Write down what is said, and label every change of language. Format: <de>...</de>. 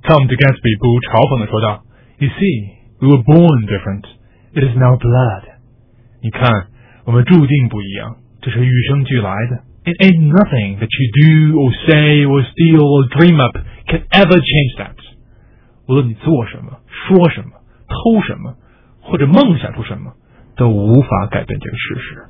<en>Tom to Gatsby</en> <zh>不无嘲讽地说道，</zh> <en>You see, we were born different. It is now blood.</en> <zh>你看我们注定不一样，这是与生俱来的。</zh> <en>It ain't nothing that you do or say or steal or dream up can ever change that.</en> <zh>无论你做什么说什么偷什么或者梦想出什么，都无法改变这个事实。</zh>